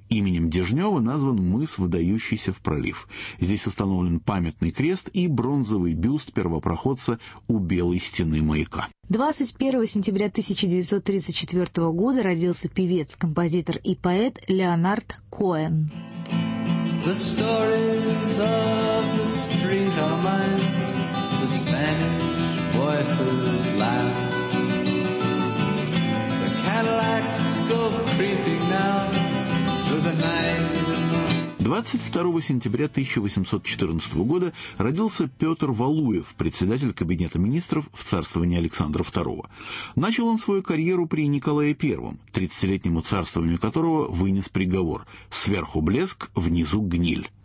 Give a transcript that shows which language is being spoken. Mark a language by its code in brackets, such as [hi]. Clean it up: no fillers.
[ru] Именем Дежнева назван мыс, выдающийся в пролив. Здесь установлен памятный крест и бронзовый бюст первопроходца у белой стены маяка. 21 сентября 1934 года родился певец, композитор и поэт Леонард Коэн. [en] The stories of the street are mine, the Spanish voices laugh. The Cadillacs go creeping now through the night. [ru] 22 сентября 1814 года родился Петр Валуев, председатель кабинета министров в царствовании Александра II. Начал он свою карьеру при Николае I, 30-летнему царствованию которого вынес приговор «Сверху блеск, внизу гниль».